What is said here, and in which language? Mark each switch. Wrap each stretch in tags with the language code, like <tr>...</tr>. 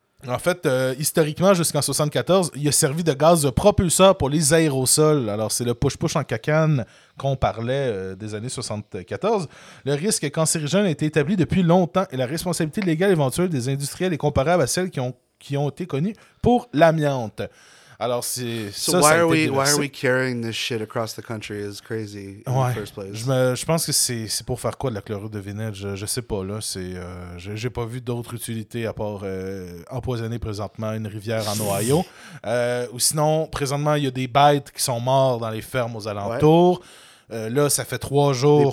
<fr>En fait, historiquement, jusqu'en 1974, il a servi de gaz propulseur pour les aérosols. Alors, c'est le push-push en cacane qu'on parlait des années 1974. Le risque cancérigène a été établi depuis longtemps et la responsabilité légale éventuelle des industriels est comparable à celle qui ont été connue pour l'amiante. Alors,</fr> <en>why are we carrying this shit across the country is crazy in the first place.</en> <fr>Je pense que c'est pour faire quoi de la chlorure de vinyle? Je sais pas, là. J'ai pas vu d'autre utilité à part empoisonner présentement une rivière en Ohio. ou sinon, présentement, il y a des bêtes qui sont mortes dans les fermes aux alentours. Ouais. Là, ça fait trois jours.</fr>